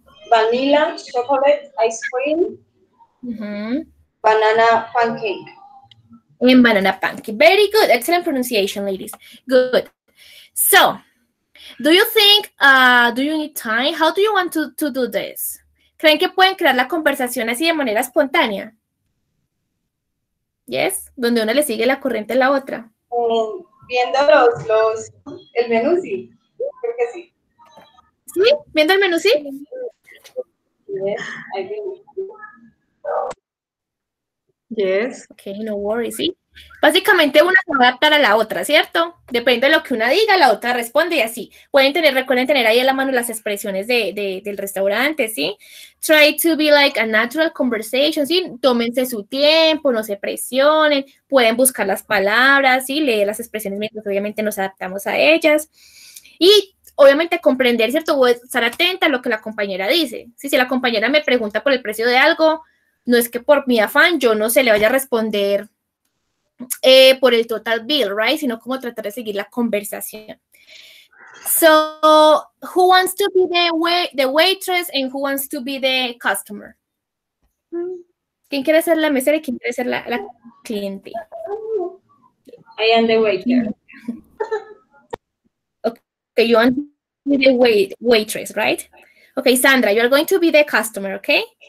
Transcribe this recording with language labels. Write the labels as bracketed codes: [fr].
[en] Vanilla chocolate ice cream. Mm-hmm. Banana pancake. And banana pancake. Very good. Excellent pronunciation, ladies. Good. So, do you think, do you need time? How do you want to do this? [es] ¿Creen que pueden crear la conversación así de manera espontánea? Yes. Donde una le sigue la corriente a la otra. Viendo el menú, sí. Creo que sí. ¿Sí? ¿Viendo el menú, sí? [en] Yes, I think. Yes. Okay, no worries, ¿sí? [es] Básicamente una se adapta a la otra, ¿cierto? Depende de lo que una diga, la otra responde y así. Pueden tener, recuerden tener ahí en la mano las expresiones del restaurante, ¿sí? [en] Try to be like a natural conversation, ¿sí? Tómense su tiempo, no se presionen. [es] Pueden buscar las palabras, ¿sí? Leer las expresiones mientras obviamente nos adaptamos a ellas. Y obviamente comprender, ¿cierto? O estar atenta a lo que la compañera dice. ¿Sí? Si la compañera me pregunta por el precio de algo, no es que por mi afán yo no se le vaya a responder por el total bill, right? Sino como tratar de seguir la conversación. [en] So, who wants to be the waitress and who wants to be the customer? [es] ¿Quién quiere ser la mesera y quién quiere ser la cliente? [en] I am the waiter. Okay, you want to be the waitress, right? Okay, Sandra, you are going to be the customer, okay?